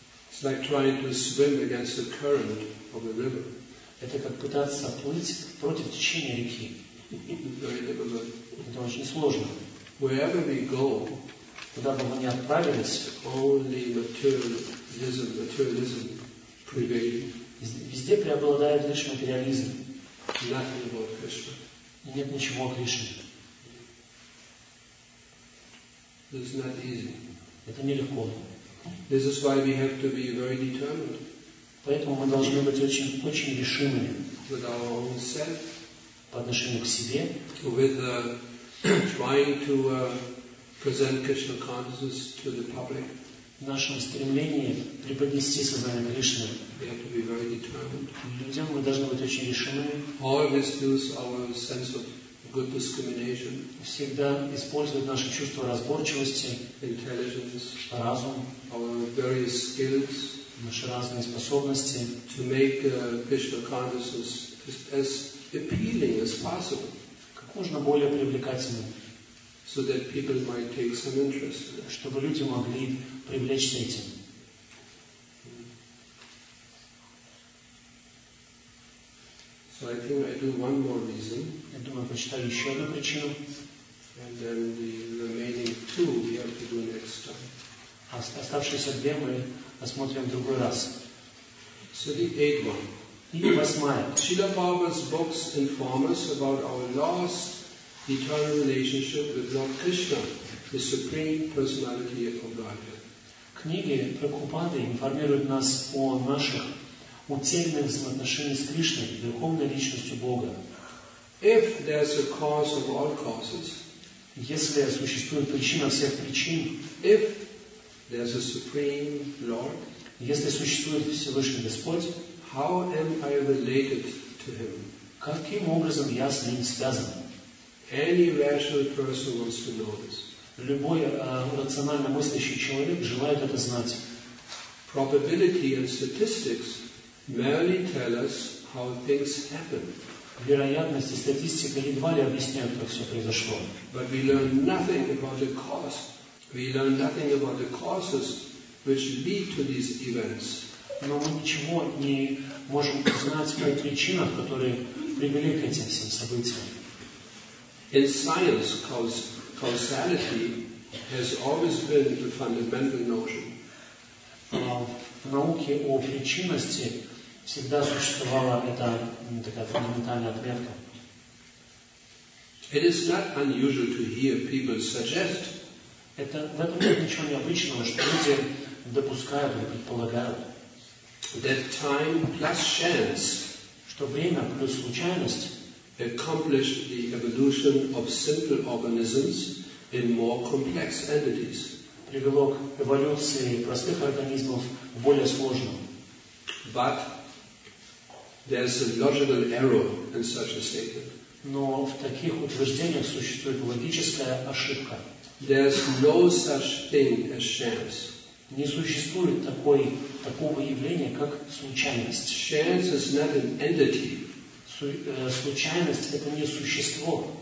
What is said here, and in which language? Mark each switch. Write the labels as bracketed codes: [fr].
[en] It's like trying to swim against the current of a river. [ru] Это как пытаться плыть против течения реки. [en] Very difficult. [ru] Это очень сложно. [en] Wherever we go, [ru] куда бы мы ни отправились, [en] only materialism prevails. [ru] Везде преобладает лишь материализм. [en] Nothing about Krishna. [ru] И нет ничего о Кришне. [en] It's not easy. [ru] Это нелегко. [en] This is why we have to be very determined. [ru] Поэтому мы должны быть очень решимыми. [en] With our own self. [ru] По отношению к себе. [en] With trying to present Krishna consciousness to the public. [ru] В нашем стремлении преподнести сознание Кришны. [en] We have to be very determined. [ru] Людям мы должны быть очень решимыми. [en] Always use our sense of good discrimination. [ru] Всегда использовать наше чувство разборчивости, [en] intelligence, [ru] разум, [en] our various skills, [ru] наши разные способности, [en] to make Krishna consciousness as appealing as possible, [ru] как можно более привлекательным, [en] so that people might take some interest, [ru] чтобы люди могли привлечься этим. [en] So I think I do one more reason. [ru] Я думаю, прочитаю еще одну причину. [en] And then the remaining two we have to do next time. [ru] Оставшиеся две мы осмотрим в другой раз. [en] So the eighth one. [ru] И восьмая. [en] Srila Prabhupada's books inform us about our lost eternal relationship with Lord Krishna, the Supreme Personality of Godhead. [ru] Книги Прабхупады информируют нас о наших утерянных взаимоотношений с Кришной, Верховной Личностью Бога. [en] If there's a cause of all causes, [ru] если существует причина всех причин, [en] if there's a Supreme Lord, [ru] если существует Всевышний Господь, [en] how am I related to Him? [ru] Каким образом я с Ним связан? [en] Any rational person wants to know this. [ru] Любой рационально мыслящий человек желает это знать. [en] Probability and statistics merely tell us how things happen. [ru] Вероятность и статистика едва ли объясняют, как все произошло. [en] But we learn nothing about the cause. We learn nothing about the causes which lead to these events. [ru] Но мы ничего не можем узнать о причинах, которые привели к этим всем событиям. [en] In science, causality has always been the fundamental notion. [ru] В науке о причинности всегда существовала эта такая фундаментальная отметка. [en] It is not unusual to hear people suggest. [ru] Это в этом нет ничего необычного, что люди допускают или предполагают. [en] That time plus chance, [ru] что время плюс случайность, [en] accomplished the evolution of simple organisms in more complex entities, [ru] привело к эволюции простых организмов в более сложном. [en] But There is a logical error in such a statement. [ru] Но в таких утверждениях существует логическая ошибка. [en] There is no such thing as chance. [ru] Не существует такого явления, как случайность. [en] Chance is not an entity. [ru] Случайность – это не существо,